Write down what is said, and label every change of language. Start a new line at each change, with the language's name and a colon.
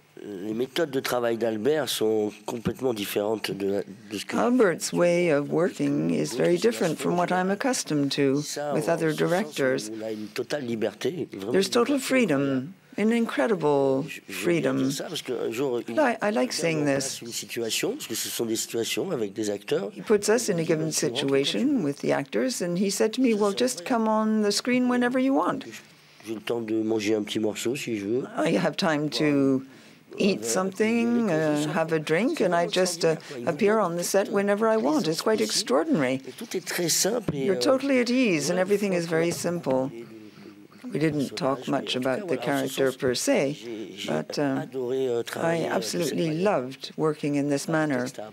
French: Les méthodes de travail d'Albert sont complètement différentes de ce que
English: Albert's way of working is very different from what I'm accustomed to with other directors.
French: On a une totale liberté, vraiment.
English: There's total freedom, an incredible freedom. I like saying this.
French: Une situation, parce que ce sont des situations avec des acteurs.
English: He puts us in a given situation with the actors, and he said to me, well, just come on the screen whenever you want.
French: J'ai le temps de manger un petit morceau si je veux.
English: I have time to eat something, have a drink, and I just appear on the set whenever I want. It's quite extraordinary.
French: Tout est très simple.
English: You're totally at ease, and everything is very simple. We didn't talk much about the character per se, but I absolutely loved working in this manner.